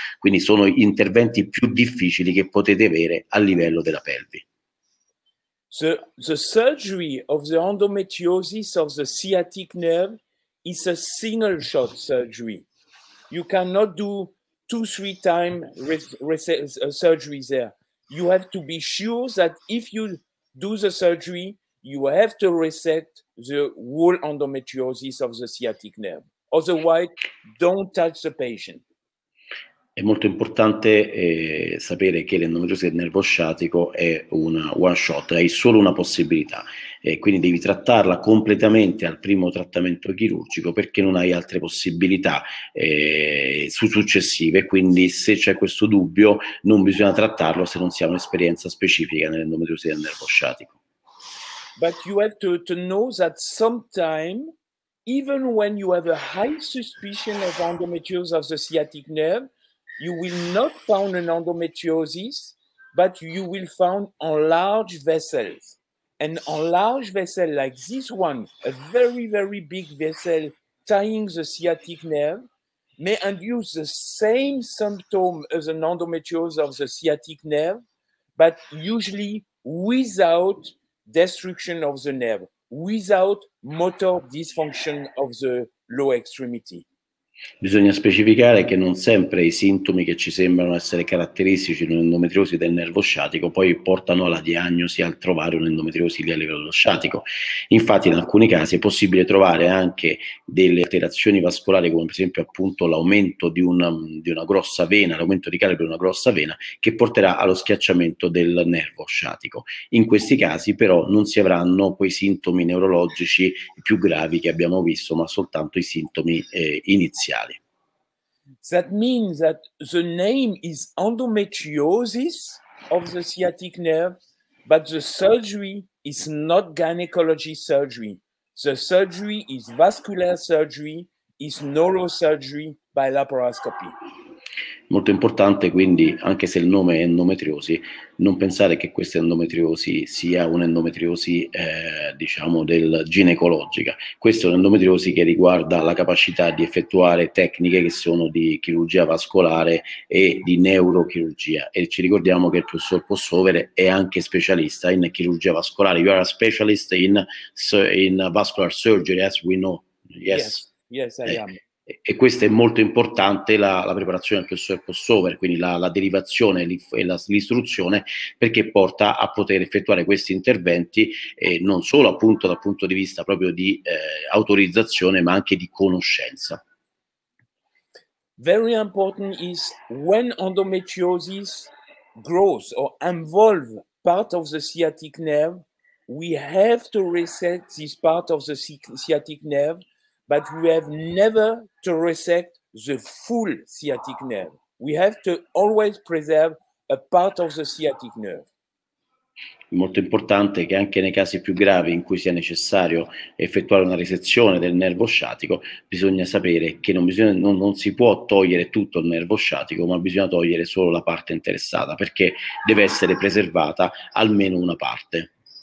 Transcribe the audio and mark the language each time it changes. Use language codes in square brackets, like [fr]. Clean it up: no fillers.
[it] Quindi sono interventi più difficili che potete avere a livello della pelvi. [en] The surgery of the endometriosis of the sciatic nerve is a single shot surgery. You cannot do 2-3 time surgery there. You have to be sure that if you do the surgery, you have to reset the whole endometriosis of the sciatic nerve. Otherwise, don't touch the patient. [it] È molto importante sapere che l'endometriosi del nervo sciatico è una [en] one shot, [it] hai solo una possibilità. Quindi devi trattarla completamente al primo trattamento chirurgico, perché non hai altre possibilità successive. Quindi, se c'è questo dubbio, non bisogna trattarlo se non si ha un'esperienza specifica nell'endometriosi del nervo sciatico. [en] But you have to know that sometime, even when you have a high suspicion of endometriosis of the sciatic nerve, you will not find an endometriosis, but you will find enlarged vessels. And enlarged vessel like this one, a very, very big vessel tying the sciatic nerve, may induce the same symptom as an endometriosis of the sciatic nerve, but usually without destruction of the nerve, without motor dysfunction of the low extremity. [it] Bisogna specificare che non sempre i sintomi che ci sembrano essere caratteristici di un'endometriosi del nervo sciatico poi portano alla diagnosi, al trovare un'endometriosi a livello sciatico. Infatti, in alcuni casi è possibile trovare anche delle alterazioni vascolari, come per esempio appunto l'aumento di una grossa vena, l'aumento di calibro di una grossa vena, che porterà allo schiacciamento del nervo sciatico. In questi casi però non si avranno quei sintomi neurologici più gravi che abbiamo visto, ma soltanto i sintomi iniziali. [en] That means that the name is endometriosis of the sciatic nerve, but the surgery is not gynecology surgery. The surgery is vascular surgery, is neurosurgery by laparoscopy. [it] Molto importante, quindi, anche se il nome è endometriosi, non pensare che questa endometriosi sia un'endometriosi del ginecologica. Questa è un'endometriosi che riguarda la capacità di effettuare tecniche che sono di chirurgia vascolare e di neurochirurgia. E ci ricordiamo che il professor Possover è anche specialista in chirurgia vascolare. [en] You are a specialist in vascular surgery, as we know. Yes, I am. [it] E questo è molto importante, la preparazione del professor Possover, quindi la derivazione e l'istruzione, perché porta a poter effettuare questi interventi non solo appunto dal punto di vista proprio di autorizzazione, ma anche di conoscenza. [en] Very important is when endometriosis grows or involves part of the sciatic nerve, we have to reset this part of the sciatic nerve. But we have never to resect the full sciatic nerve. We have to always preserve a part of the sciatic nerve. [it] Molto importante che anche nei casi più gravi in cui sia necessario effettuare una resezione del nervo sciatico, bisogna sapere che non si può togliere tutto il nervo sciatico, ma bisogna togliere solo la parte interessata, perché deve essere preservata almeno una parte.